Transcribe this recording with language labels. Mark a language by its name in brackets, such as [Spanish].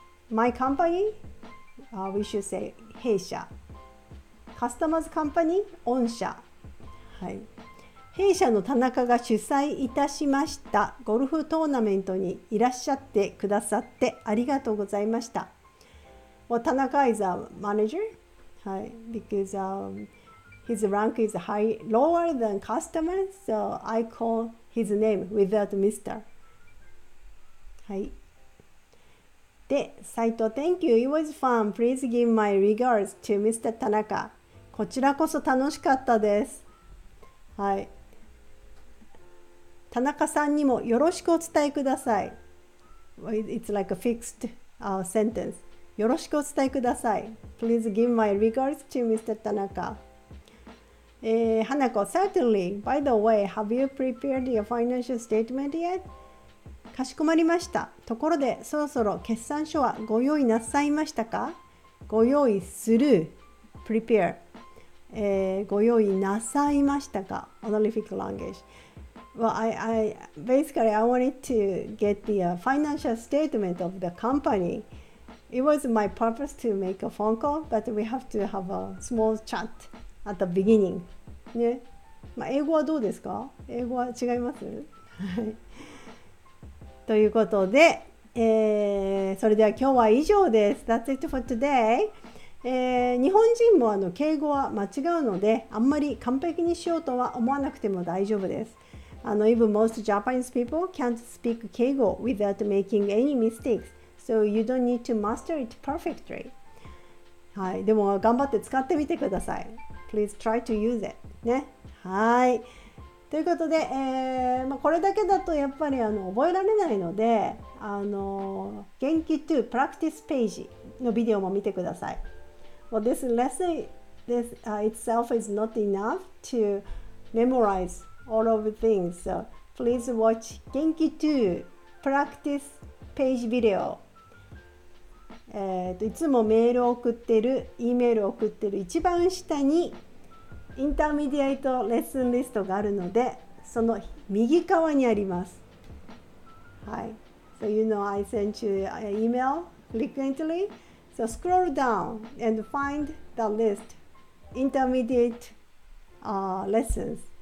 [English] My company? We should say 弊社。 Customer's company? 御社。 [Japanese] はい。弊社の田中が主催いたしましたゴルフトーナメントにいらっしゃってくださってありがとうございました。 [English] Well, 田中 is a manager. はい。 Because, His rank is lower than customer, so I call his name without Mr. はい。で、斉藤、Thank you. It was fun. Please give my regards to Mr. Tanaka. [Japanese] こちらこそ楽しかったです。はい。田中さんにもよろしくお伝えください。 [English] It's like a fixed sentence. [Japanese] よろしくお伝えください。 [English] Please give my regards to Mr. Tanaka. Hanako, certainly. By the way, have you prepared your financial statement yet? [Japanese] かしこまりました。ところで、そろそろ決算書はご用意なさいましたか？ご用意する。 [English] Prepare.、 [Japanese] ご用意なさいましたか？ [English] Honorific language. Well, I wanted to get the financial statement of the company. It was my purpose to make a phone call, but we have to have a small chat. At the beginning. [Japanese] ね。まあ、英語はどうですか？英語は違います？ということで、それでは今日は以上です。 [English] That's it for today. [Japanese] 日本人も敬語は間違うので、あんまり完璧にしようとは思わなくても大丈夫です。 [English] Even most Japanese people can't speak 敬語 without making any mistakes. So you don't need to master it perfectly. [Japanese] はい。でも頑張って使ってみてください。 [English] Please try to use it. [Japanese] ね。はい。ということで、これだけだとやっぱり覚えられないので、元気to practice page のビデオも見てください。 [English] Well, this lesson this, itself is not enough to memorize all of the things. So please watch [Japanese] 元気to practice page ビデオ。いつもメールを送ってる、E メールを送ってる一番下にインターミディエイトレッスンリストがあるので、その右側にあります。はい。 [English] So you know I sent you an email frequently. So scroll down and find the list, intermediate lessons.